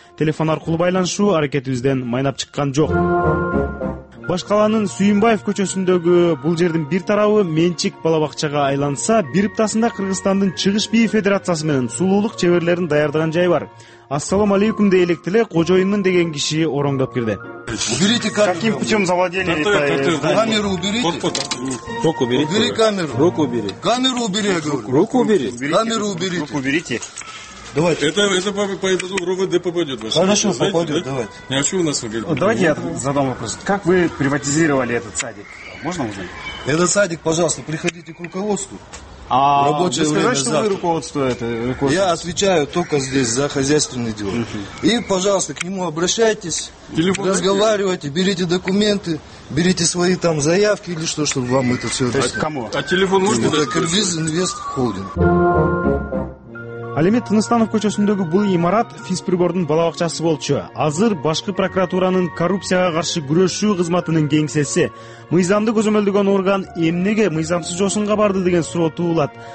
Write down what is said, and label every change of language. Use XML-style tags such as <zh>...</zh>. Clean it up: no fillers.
<ky>Телефон аркылуу байланышуу аракетибизден майнап чыккан жок. Баш калаанын Сүйүмбаев көчөсүндөгү бул жердин бир тарабы менчик бала бакчага айланса, бир ыптасында Кыргызстандын Чыгыш Бий Федерациясы менен сулуулук чеберлерин даярдаган жай бар. Ассалому алейкум дейлик деле кожоюнмун деген киши ороңдоп кирди.</ky> <ru>Уберите камеру. Каким путем завладели этой? Камеру уберите. Руку уберите. Убери камеру. Руку убери. Камеру убери, я говорю. Руку убери. Камеру уберите. Руку уберите. Давайте. Это по этому РОВД попадет. Хорошо, знаете, попадет, да? Давайте. А что у нас выглядит? Давайте я задам вопрос. Как вы приватизировали этот садик? Можно узнать? Этот садик, пожалуйста, приходите к руководству. А рабочее время завтра. Вы сказали, что вы руководство это? Руководство? Я отвечаю только здесь за хозяйственные дела. И, пожалуйста, к нему обращайтесь. Телефон разговаривайте, есть? Берите документы, берите свои там заявки или что, чтобы вам это все... То есть кому? А телефон можно дать? Это Кыргыз Инвест Холдинг.</ru> <ky>Алимет Тыныстанов көчөсүндөгү бул имарат физприбордун бала бакчасы болчу. Азыр башкы прокуратуранын коррупцияга каршы күрөшүү кызматынын кеңсеси. Мыйзамды көзөмөлдөгөн орган эмнеге мыйзамсыз жосунга барды деген суроо туулат.</ky>